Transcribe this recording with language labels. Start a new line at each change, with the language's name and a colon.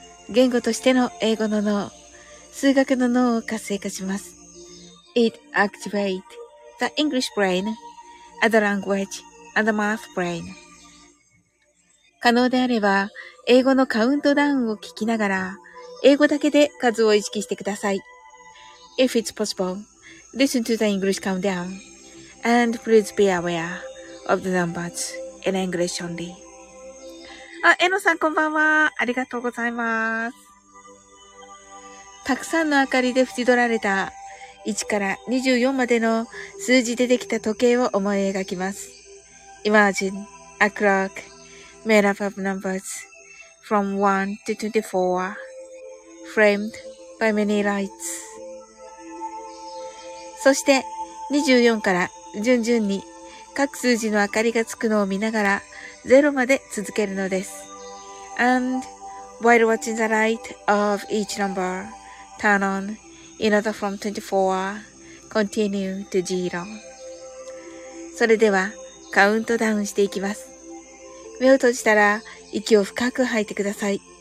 Japanese: 言語としての英語の脳、数学の脳を活性化します。
English: It activates the English brain, other language, and the math brain.
Japanese: 可能であれば、英語のカウントダウンを聞きながら、英語だけで数を意識してください。
English: If it's possible,Listen to the English countdown and please be aware of the numbers in English only.
Japanese: あ、エノさんこんばんは。ありがとうございます。たくさんの明かりで縁取られた1から24までの数字でできた時計を思い描きます。
English: Imagine a clock made up of numbers from 1 to 24 framed by many lights.
Japanese: そして24から順々に各数字の明かりがつくのを見ながら0まで続けるのです。
English: And while watching the light of each number turn on in order from 24, continue to 0.
Japanese: それではカウントダウンしていきます。目を閉じたら息を深く吐いてください。